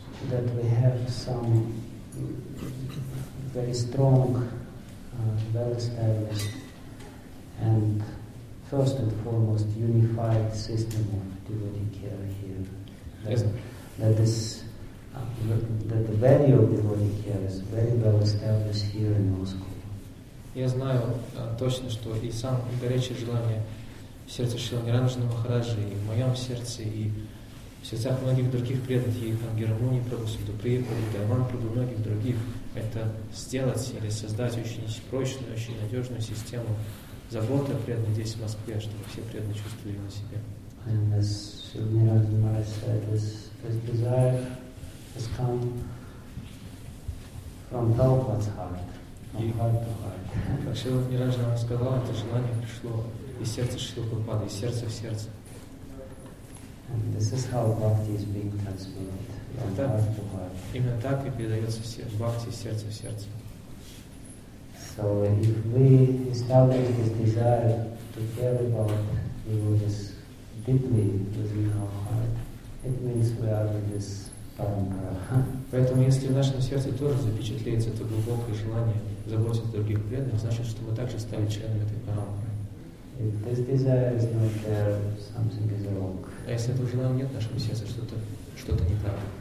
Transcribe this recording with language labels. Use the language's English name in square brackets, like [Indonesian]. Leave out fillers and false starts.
[English] that we have some very strong, well-established and first and foremost unified system of devotee care here. That the value of devotee care is very well established here in Moscow. [Russian] Я знаю точно, что и сам горячее желание в сердце Шрилы Ниранджана Махараджи, и в моем сердце, и в сердцах многих других преданных, и Ангирамуни Прабху, Сунду Прибху, Дарман Прабху, многих других, это сделать или создать очень прочную, очень надежную систему заботы о преданных здесь, в Москве, чтобы все преданные чувствовали на себе. [English] And as Shri Niranjan Maharaj said, this desire has come from Prabhupada's heart, from heart to heart. [Russian] Как Шрила Ниранджана Махарадж сказал, это желание пришло из сердца Шрилы Прабхупады, из сердца в сердце. [English] And this is how bhakti is being transmitted from heart to heart. [Russian] Именно так и передается бхакти из сердца в сердце. [English] So if we establish this desire to care about devotees deeply within our heart, it means we are in this parampara. [Russian] Поэтому если в нашем сердце тоже запечатлеется это глубокое желание заботиться о других преданных, значит, что мы также стали членами этой парампары. [English] If this desire is not there, something is wrong. [Russian] А если этого желания нет в нашем сердце, что-то не так.